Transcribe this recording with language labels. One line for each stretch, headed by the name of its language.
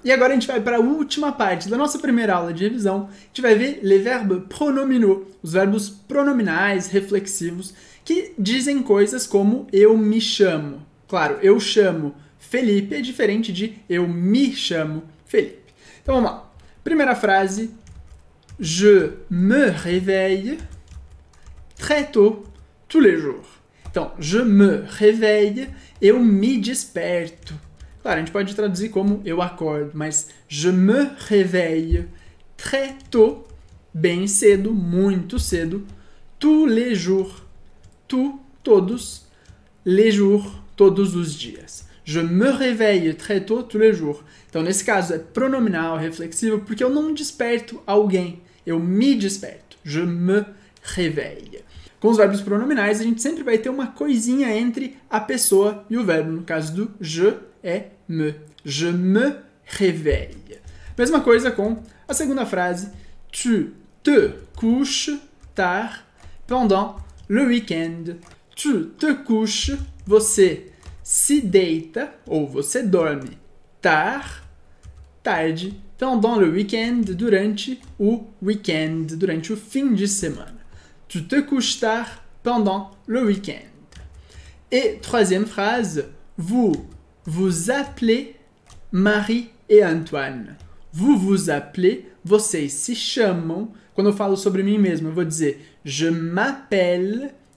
Portuguese: E agora a gente vai para a última parte da nossa primeira aula de revisão. A gente vai ver les verbes pronominaux, os verbos pronominais, reflexivos, que dizem coisas como eu me chamo. Claro, eu chamo Felipe é diferente de eu me chamo Felipe. Então vamos lá.
French: Primeira frase. Je me réveille très tôt tous les jours.
Portuguese: Então, je me réveille, eu me desperto. Claro, a gente pode traduzir como eu acordo, mas
French: je me réveille très tôt,
Portuguese: bem cedo, muito cedo, tous les jours, todos, les jours, todos os dias.
French: Je me réveille très tôt, tous les jours.
Portuguese: Então, nesse caso, é pronominal, reflexivo, porque eu não desperto alguém, eu me desperto.
French: Je me réveille.
Portuguese: Com os verbos pronominais, a gente sempre vai ter uma coisinha entre a pessoa e o verbo. No caso do je, é me.
French: Je me réveille.
Portuguese: Mesma coisa com a segunda frase.
French: Tu te couches tard pendant le week-end. Tu te couches,
Portuguese: você se deita ou você dorme tard, tarde,
French: pendant le week-end,
Portuguese: durante o weekend, durante o fim de semana.
French: Tu te couches tard pendant le week-end. Et troisième phrase, vous appelez Marie et Antoine. Vous appelez,
Portuguese: vocês se chamam. Quando eu falo sobre mim mesmo, eu vou dizer
French: je m'appelle.